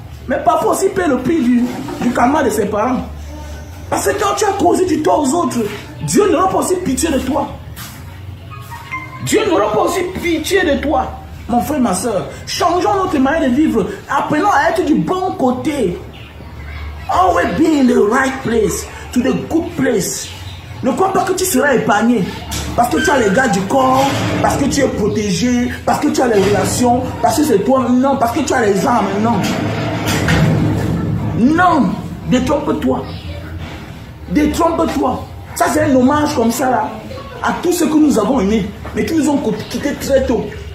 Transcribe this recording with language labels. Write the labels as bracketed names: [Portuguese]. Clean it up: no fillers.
[French] Mais parfois aussi paye le prix du karma de ses parents. Parce que quand tu as causé du tort aux autres, Dieu n'aura pas aussi pitié de toi. Dieu n'aura pas aussi pitié de toi, mon frère, ma soeur. Changeons notre manière de vivre. Apprenons à être du bon côté. [English] Always be in the right place, to the good place. [French] Ne crois pas que tu seras épargné. Parce que tu as les gars du corps, parce que tu es protégé, parce que tu as les relations, parce que c'est toi, non, parce que tu as les armes, non. Non, détrompe-toi. Détrompe-toi. Ça, c'est un hommage comme ça, là, à tous ceux que nous avons aimés, mais qui nous ont quittés très tôt.